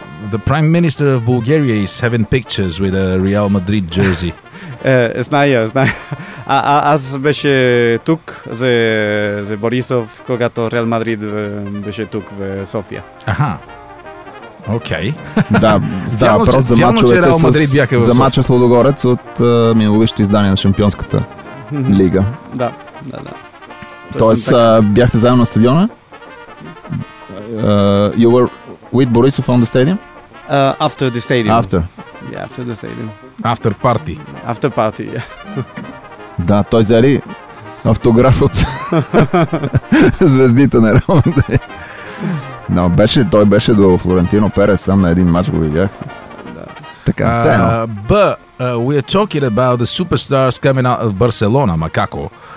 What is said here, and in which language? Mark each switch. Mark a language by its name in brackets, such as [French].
[English] The Prime Minister of Bulgaria is having pictures with a Real Madrid jersey. [Bulgarian] Зная. Аз беше тук за Борисов, когато Реал Мадрид беше тук в София. Аха. Окей. Да, просто за мачовете за мача с Лудогорец от миналогичното издание на Шампионската лига. Да. Тоест, бяхте заедно на стадиона? [English] You were with Борисов on the stadium? After the stadium. After. Yeah, after the stadium. After party. After party, yeah. [Bulgarian] Да, той взели автограф от звездите на Реал Мадрид. Но беше, той беше до Флорентино Перес, сам на един мач го видях. Да. Така, все едно. [English] But we are talking about the superstars coming out of Barcelona, Макако.